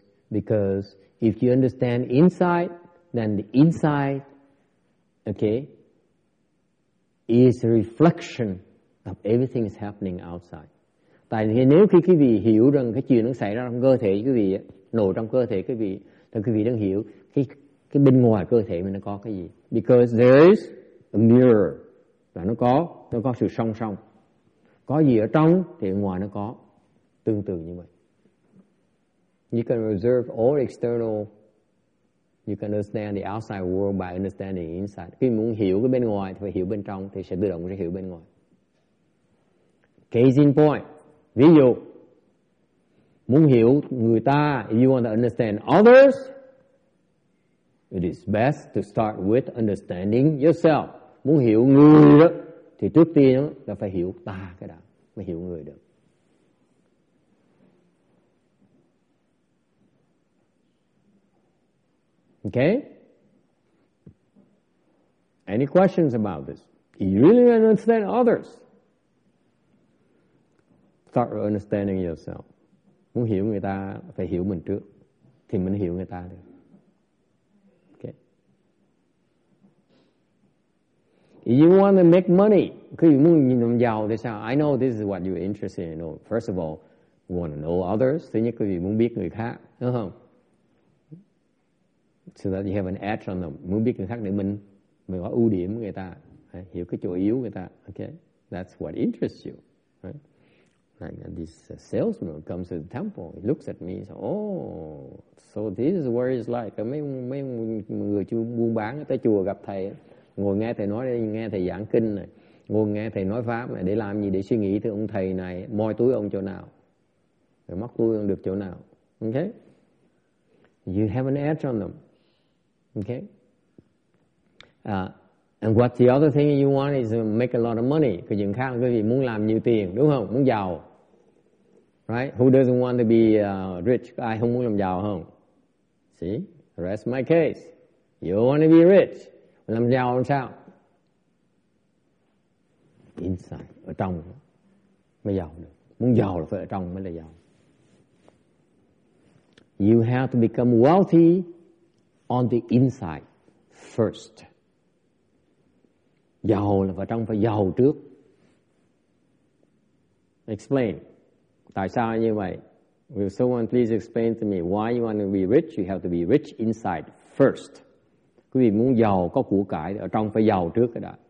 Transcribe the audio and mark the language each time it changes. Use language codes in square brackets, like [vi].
[en] Because if you understand inside, then the inside, okay, is a reflection of everything is happening outside. [vi] Tại vì nếu khi quý vị hiểu rằng cái chuyện đang xảy ra trong cơ thể quý vị, nội trong cơ thể quý vị, thì quý vị đang hiểu cái bên ngoài cơ thể mình nó có cái gì. [en] Because there is a mirror. [vi] Là nó có sự song song. Có gì ở trong thì ở ngoài nó có. Tương tự như vậy. [en] You can observe all external. You can understand the outside world by understanding inside. [vi] Khi muốn hiểu cái bên ngoài thì phải hiểu bên trong thì sẽ tự động sẽ hiểu bên ngoài. [en] Case in point. [vi] Ví dụ, muốn hiểu người ta, [en] if you want to understand others, it is best to start with understanding yourself. [vi] Muốn hiểu người đó, thì trước tiên là phải hiểu ta cái đã, mới hiểu người được. [en] Okay? Any questions about this? You really understand others? Start with understanding yourself. [vi] Muốn hiểu người ta, phải hiểu mình trước. Thì mình hiểu người ta được. [en] If you want to make money, [vi] khi muốn nhìn làm giàu thì sao? [en] I know this is what you're interested in. First of all, you want to know others. [vi] Thứ nhất, khi muốn biết người khác, đúng không? [en] So that you have an edge on them. [vi] Muốn biết người khác để mình có ưu điểm người ta, hiểu cái chỗ yếu người ta. [en] Okay, that's what interests you. Right? Like this salesman comes to the temple, he looks at me, he says, oh, so this is where it's like. [vi] Mấy người buôn bán tới chùa gặp thầy. Ngồi nghe thầy nói, nghe thầy giảng kinh này, ngồi nghe thầy nói pháp này, để làm gì, để suy nghĩ thì ông thầy này moi túi ông chỗ nào, rồi móc túi ông được chỗ nào. [en] Okay? You have an edge on them. Okay? And what's the other thing you want is to make a lot of money. [vi] Cái chuyện khác là quý vị muốn làm nhiều tiền, đúng không? Muốn giàu. Right? [en] Who doesn't want to be rich? [vi] Ai không muốn làm giàu không? [en] See? Rest my case. You want to be rich. [vi] Làm giàu làm sao? Inside, ở trong mới giàu được. Muốn giàu là phải ở trong mới là giàu. [en] You have to become wealthy on the inside first. [vi] Giàu là phải ở trong, phải giàu trước. Explain. Tại sao như vậy? [en] Will someone please explain to me why you want to be rich? You have to be rich inside first. [vi] Quý vị muốn giàu có của cải ở trong phải giàu trước cái đó.